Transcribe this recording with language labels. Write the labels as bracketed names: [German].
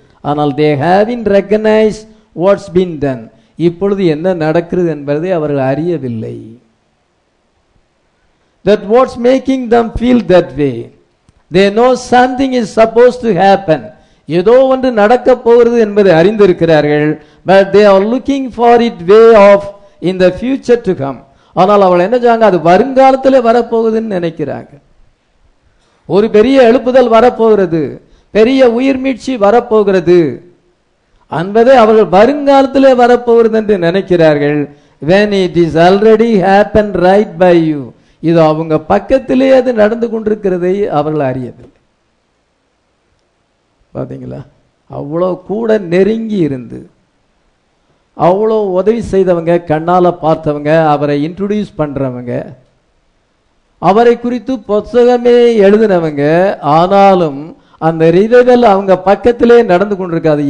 [Tamil] ஆனால் [English] they haven't recognise what's been done, [Tamil] இப்பொழுது என்ன நடக்கிறது என்பதை அவர்கள் அறியவில்லை. [English] That what's making them feel that way. They know something is supposed to happen. [Tamil] ஏதோ ஒன்று நடக்க போகிறது என்பதை அறிந்திருக்கிறார்கள். [English] But they are looking for it way off in the future to come. [Tamil] ஆனால் அவள் என்ன செய்வாங்க, அது வருங்காலத்தில் வரப்போகுதுன்னு நினைக்கிறாங்க. ஒரு பெரிய எழுப்புதல் வரப்போகிறது, பெரிய உயிர் மீட்சி வரப்போகிறது என்பதை அவர்கள் வருங்காலத்தில் வரப்போகிறது என்று நினைக்கிறார்கள். [English] When it is already happened right by you. [Tamil] இது அவங்க பக்கத்திலே அது நடந்து கொண்டிருக்கிறதை அவர்கள் அறியவில்லை. பாத்தீங்களா, அவ்வளோ கூட நெருங்கி இருந்து அவ்வளோ உதவி செய்தவங்க, கண்ணால பார்த்தவங்க, அவரை இன்ட்ரொடியூஸ் பண்றவங்க, அவரை குறித்து புத்தகமே எழுதினவங்க, ஆனாலும் அந்த ரிதைகள் அவங்க பக்கத்திலே நடந்து கொண்டிருக்காது.